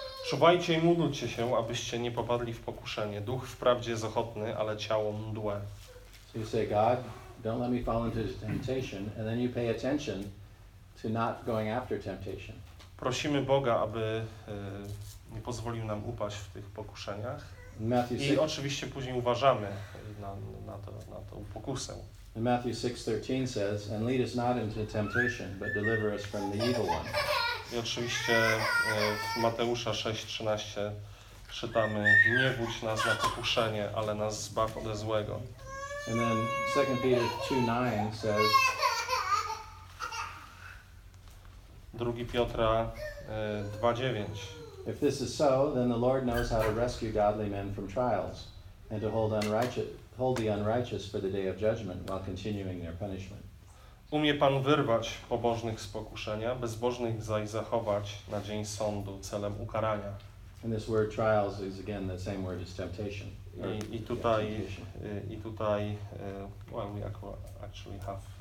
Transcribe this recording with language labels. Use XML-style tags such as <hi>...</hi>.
<pl>Czuwajcie i módlcie się, abyście nie popadli w pokuszenie. Duch wprawdzie jest ochotny, ale ciało mdłe.</pl> <en>So you say, God, don't let me fall into temptation, and then you pay attention to not going after temptation.</en> <pl>Prosimy Boga, aby nie pozwolił nam upaść w tych pokuszeniach. I oczywiście później uważamy na to pokusę.</pl> <en>Matthew 6:13 says, and lead us not into temptation, but deliver us from the evil one.</en> <pl>I oczywiście w Mateusza 6:13 czytamy, nie wódź nas na pokuszenie, ale nas zbaw ode złego.</pl> <en>And then 2 Peter 2:9 says,</en> <pl>2 Piotra 2:9.</pl> <en>If this is so, then the Lord knows how to rescue godly men from trials and to hold the unrighteous for the day of judgment while continuing their punishment.</en> <pl>Umie Pan wyrwać pobożnych z pokuszenia, bezbożnych zaś zachować na dzień sądu celem ukarania.</pl> <en>And this word trials is again the same word as temptation.</en> <pl>I tutaj</pl> <en>well, we actually have</en>